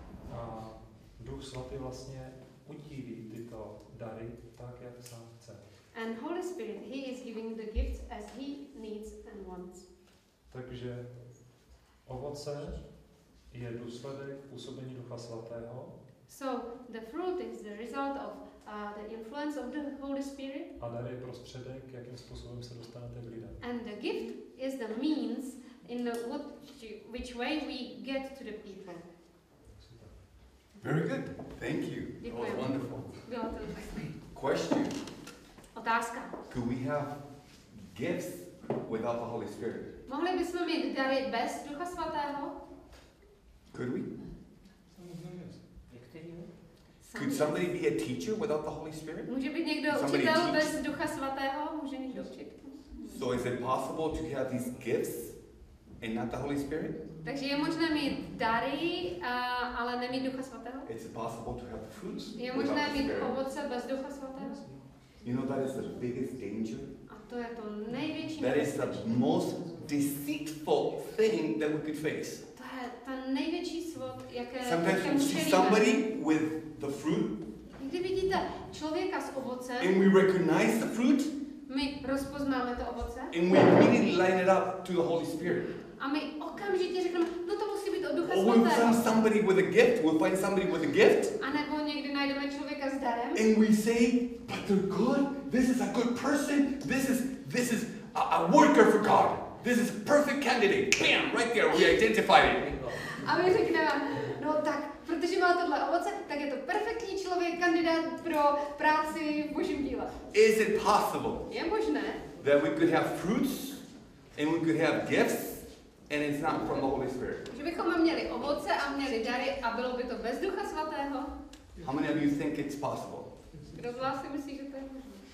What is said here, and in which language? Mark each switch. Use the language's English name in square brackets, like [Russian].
[Czech] A Duch Svatý vlastně udílí tyto dary tak, jak sám chce. [English] And Holy Spirit, he is giving the gifts as he needs and wants. [Czech] Takže ovoce je důsledek působení Ducha Svatého. [English] So the fruit is the result of the influence of the Holy Spirit. [Czech] A dar je prostředek, jakým způsobem se dostanete k lidem. [English] And the gift is the means in which way we get to the people. Very good. Thank you. That was wonderful. Question. [Czech] Otázka. [English] Could we have gifts without the Holy Spirit? [Czech] Mohli bychom mít dary bez Ducha Svatého? [English] Could we? Could somebody be a teacher without the Holy Spirit? [Czech] Může být někdo učitel bez Ducha Svatého? Může někdo učit? [English] So is it possible to have these gifts and not the Holy Spirit? [Czech] Takže je možné mít dary, ale nemít Ducha Svatého? [English] It's possible to have the fruits. [Czech] Je možné mít ovoce bez Ducha Svatého? [English] You know that is the biggest danger. [Czech] A to je to největší. [English] That is the most deceitful thing that we could face. [Czech] Ta největší svod, jaké [English] sometimes you see somebody with the fruit. [Czech] Kdy vidíte člověka s ovocem, [English] and we recognize the fruit. [Czech] My rozpoznáme to ovoce. [English] And we immediately line it up to the Holy Spirit. [Czech] A my okamžitě řekneme, no to musí být od Ducha [English] Svatého. Or we find somebody with a gift. We'll find somebody with a gift. [Czech] A nebo někdy najdeme člověka s darem. [English] And we say, but they're good. This is a good person. This is a worker for God. This is a perfect candidate. Bam, right there, we identify it. [Czech] A my řekneme, no tak, protože má tohle ovoce, tak je to perfektní člověk, kandidát pro práci v Božím díle. [English] Is it possible? [Czech] Je možné? [English] That we could have fruits, and we could have gifts, and it's not from the Holy Spirit. [Czech] Že bychom měli ovoce a měli dary a bylo by to bez Ducha Svatého? [English] How many of you think it's possible? [Czech] Kdo z vás si myslí, že to je možné?